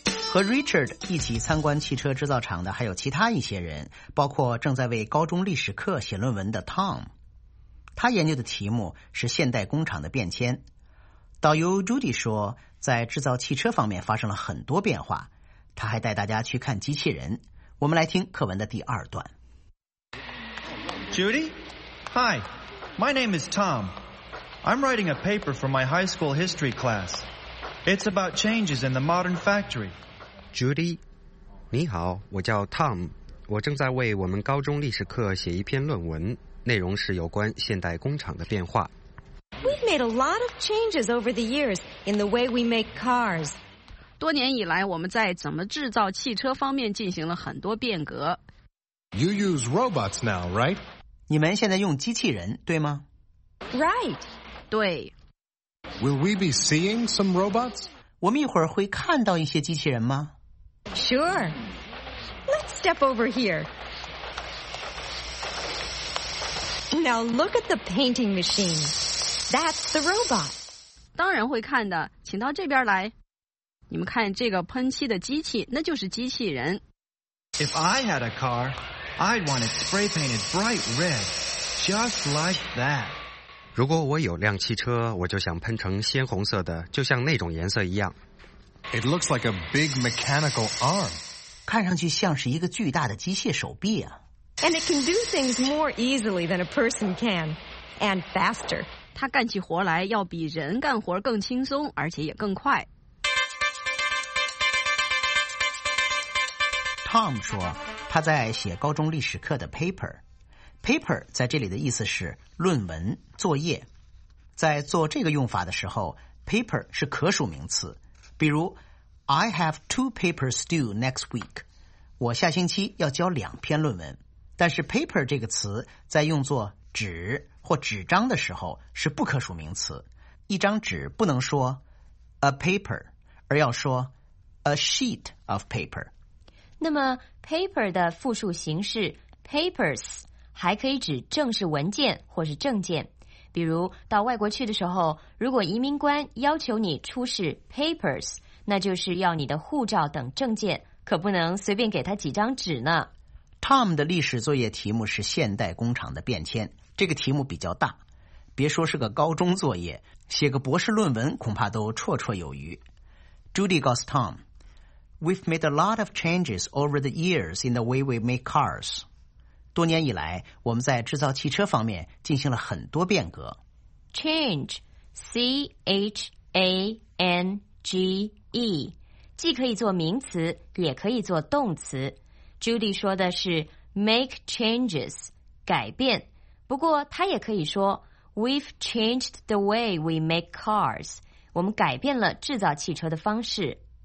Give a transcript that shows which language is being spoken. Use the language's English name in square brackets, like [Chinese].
[Chinese] 和 Richard 一起参观汽车制造厂的还有其他一些人，包括正在为高中历史课写论文的 Tom, 他研究的题目是现代工厂的变迁。导游 Judy 说，在制造汽车方面发生了很多变化，他还带大家去看机器人。我们来听课文的第二段。 [English] Judy? Hi, my name is Tom. I'm writing a paper for my high school history class. It's about changes in the modern factory. [Chinese] Judy, 你好，我叫 Tom, 我正在为我们高中历史课写一篇论文，内容是有关现代工厂的变化。 [English] We've made a lot of changes over the years in the way we make cars. [Chinese] 多年以来，我们在怎么制造汽车方面进行了很多变革。 [English] You use robots now, right? [Chinese] 你们现在用机器人，对吗？ [English] Right. [Chinese] 对。 [English] Will we be seeing some robots? [Chinese] 我们一会儿会看到一些机器人吗？ [English] Sure. Let's step over here. Now look at the painting machine. That's the robot. [Chinese] 当然会看的，请到这边来。你们看这个喷漆的机器，那就是机器人。 [English] If I had a car, I'd want it spray painted bright red, just like that. [Chinese] 如果我有辆汽车，我就想喷成鲜红色的，就像那种颜色一样。 [English] It looks like a big mechanical arm. [Chinese] 看上去像是一个巨大的机械手臂啊。 [English] And it can do things more easily than a person can, and faster. [Chinese] 它干起活来要比人干活更轻松，而且也更快。 Tom 说，他在写高中历史课的 paper。 paper 在这里的意思是论文、作业。在做这个用法的时候， paper 是可数名词。比如 [English] I have two papers due next week, [Chinese] 我下星期要交两篇论文。但是 paper 这个词在用作纸或纸张的时候是不可数名词。一张纸不能说 [English] a paper, [Chinese] 而要说 [English] a sheet of paper。 [Chinese] 那么 paper 的复数形式 papers 还可以指正式文件或是证件。比如到外国去的时候，如果移民官要求你出示 papers, 那就是要你的护照等证件，可不能随便给他几张纸呢。 Tom 的历史作业题目是现代工厂的变迁，这个题目比较大，别说是个高中作业，写个博士论文恐怕都绰绰有余。 [English] Judy [Chinese] 告诉 [English] Tom, We've made a lot of changes over the years in the way we make cars. [Chinese] 多年以来，我们在制造汽车方面进行了很多变革。 [English] Change, C-H-A-N-G-E, [Chinese] 既可以做名词，也可以做动词。Judy 说的是 [English] make changes， [Chinese] 改变，不过他也可以说 [English] we've changed the way we make cars， [Chinese] 我们改变了制造汽车的方式。